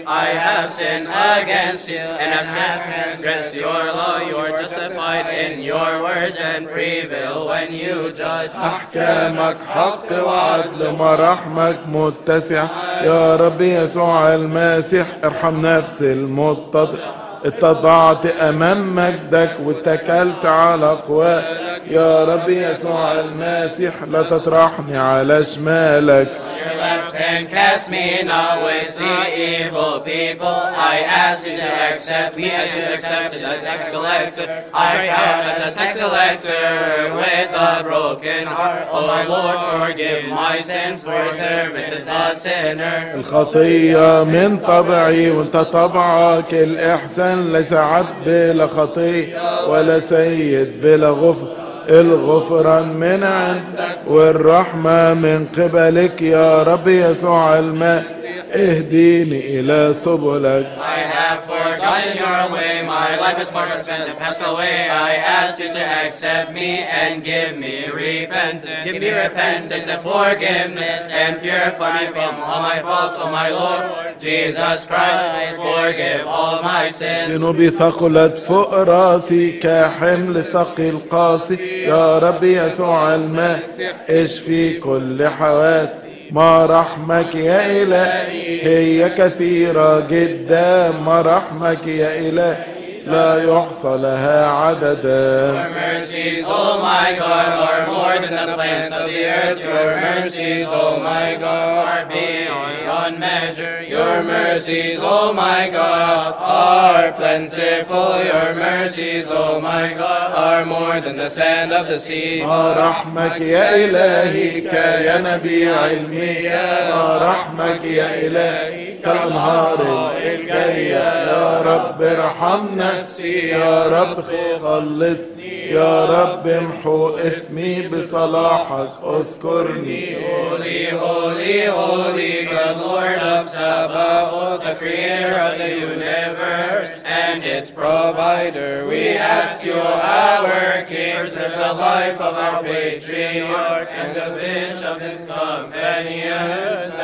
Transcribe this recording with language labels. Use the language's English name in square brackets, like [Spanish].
[English] I have sinned against you and have transgressed your law. You are justified in your words and prevail when you judge. [Arabic] أحكامك حق وعدل ومرحمك متسع. يا ربي يسوع المسيح ارحم نفس المضطر. اتضعت أمام مجدك واتكلت على قواك. يا ربي يسوع المسيح لا تطرحني على شمالك. [English] Your left hand cast me not with the evil people. I ask you to accept me as you accepted a tax collector. I cry as a tax collector with a broken heart. Oh my Lord, forgive my sins, for a servant is a sinner. [Arabic] الخطية من طبعي وانت طبعك الإحسان. ليس عبد بلا خطية ولا سيد بلا غفر. الغفران من عندك والرحمة من قبلك. يا ربي يسوع المسيح اهديني إلى سبلك. [English] I have forgotten your way. My life is far spent and passed away. I ask you to accept me and give me repentance. Give me repentance and forgiveness and purify me from all my faults. Oh my Lord Jesus Christ, forgive all my sins. [Arabic] ذنوبي ثقلت فوق راسي كحمل ثقيل قاسي. يا ربي يسوع المسيح اشفي كل حواس. ما رحمك يا إله هي كثيرة جدا. ما رحمك يا إله لا يحصى لها عددا. [English] Your mercies, oh my God, are more than the plants of the earth. Your mercies, oh my God, are beyond measure. Your mercies, oh my God, are plentiful. Your mercies, oh my God, are more than the sand of the sea. [Arabic] ما رحمك يا إلهي كيا نبي علمي. ما رحمك يا إلهي كالنهار الجارية. يا رب ارحم نفسي. يا رب خلصني. يا رب امحو اثمي بصلاحك اذكرني. [English] Holy, holy, holy, the Lord of Sabaoth, the creator of the universe and its provider. We ask you, our King, for the life of our patriarch and the bishop his companion.